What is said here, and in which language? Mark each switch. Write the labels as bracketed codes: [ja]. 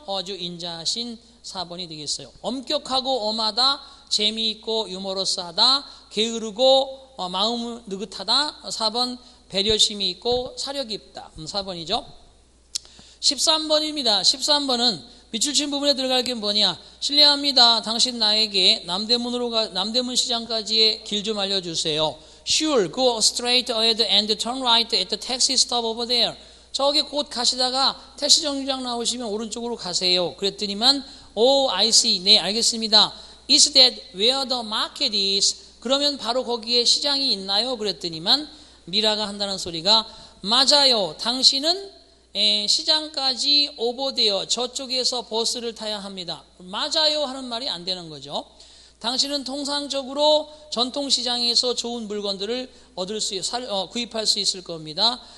[ko] 아주 인자하신 4번이 되겠어요. 엄격하고 엄하다, 재미있고 유머러스하다, 게으르고 마음 느긋하다. 4번. 배려심이 있고 사려 깊다. 4번이죠. 13번입니다. 13번은 밑줄 친 부분에 들어갈 게 뭐냐. 신뢰합니다. 당신 나에게 남대문 시장까지의 길 좀 알려주세요. [en] Sure. Go straight ahead and turn right at the taxi stop over there. [ko] 저기 곧 가시다가 택시 정류장 나오시면 오른쪽으로 가세요. [en] 그랬더니만 Oh, I see. [ko] 네, 알겠습니다. [en] Is that where the market is? [ko] 그러면 바로 거기에 시장이 있나요? 그랬더니만 미라가 한다는 소리가 맞아요. 당신은 시장까지 오버되어 저쪽에서 버스를 타야 합니다. 맞아요 하는 말이 안 되는 거죠. 당신은 통상적으로 전통시장에서 좋은 물건들을 구입할 수 있을 겁니다.